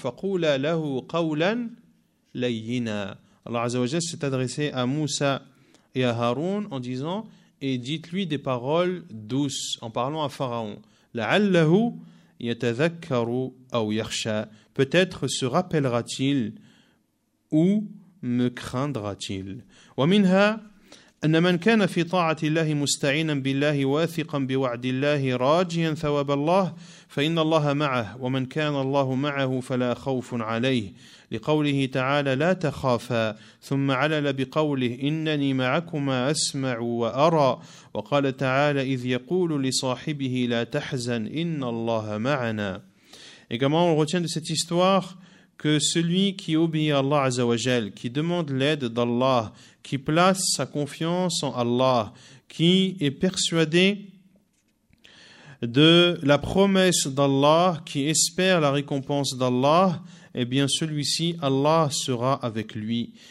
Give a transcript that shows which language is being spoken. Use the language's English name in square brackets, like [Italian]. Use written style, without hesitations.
[Arabic] « Faqula lahu qawlan layyina [French] » Allah Azza wa Jalla s'est adressé à Moussa et à Haroun en disant « Et dites-lui des paroles douces » en parlant à Pharaon. « [Arabic] La'allahu » يَتَذَكَّرُ أَوْ يَخْشَى [French] peut-être se rappellera-t-il ou me craindra-t-il. [Arabic] ومنها أن من كان في طاعة الله مستعينا بالله واثقا بوعد الله راجيا ثواب الله فإن الله معه ومن كان الله معه فلا خوف عليه لقوله تعالى لا تخافا ثم علل بقوله إنني معكما أسمع وأرى وقال تعالى إذ يقول لصاحبه لا تحزن إن الله معنا. [French] Également, on retient de cette histoire que celui qui obéit à Allah Azza wa Jal, qui demande l'aide d'Allah, qui place sa confiance en Allah, qui est persuadé de la promesse d'Allah, qui espère la récompense d'Allah, eh bien celui-ci, Allah sera avec lui.